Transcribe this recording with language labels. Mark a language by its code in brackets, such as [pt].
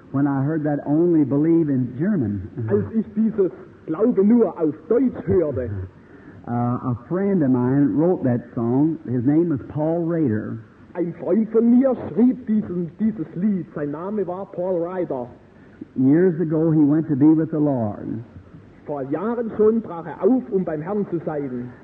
[en] When I heard that only believe in German. [de] Als ich dieses Glaube nur auf Deutsch hörte. [en] A friend of mine wrote that song. His name was Paul Rader. [de] Ein Freund von mir schrieb dieses Lied. Sein Name war Paul Rader. [en] Years ago he went to be with the Lord. [de] Vor Jahren schon brach auf, beim Herrn zu sein.